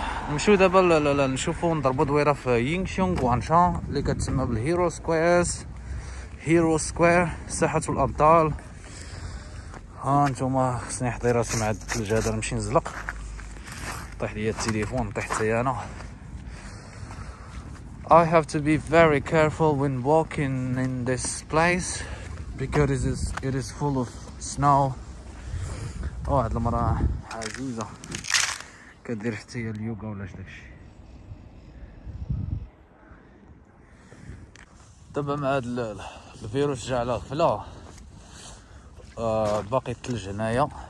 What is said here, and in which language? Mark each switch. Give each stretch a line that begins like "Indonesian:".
Arabic: نمشيو دابا نشوفو نضربو دويره في يينغشونغ وانشان اللي كتسمى بالهيرو سكويرز، هيرو سكوير ساحه الابطال. ها نتوما خصني نحضر راسي مع الثلج هذا، نمشي نزلق. طيح ليا التليفون، طيح حتى انا.
English: I have to be very careful when walking in this place because it is full of snow.
Arabic: أو هاد المرا عزيزة كدير حتى هي اليوغا ولا اش داكشي. دابا مع هاد الفيروس جا على غفلة، باقي التلج هنايا.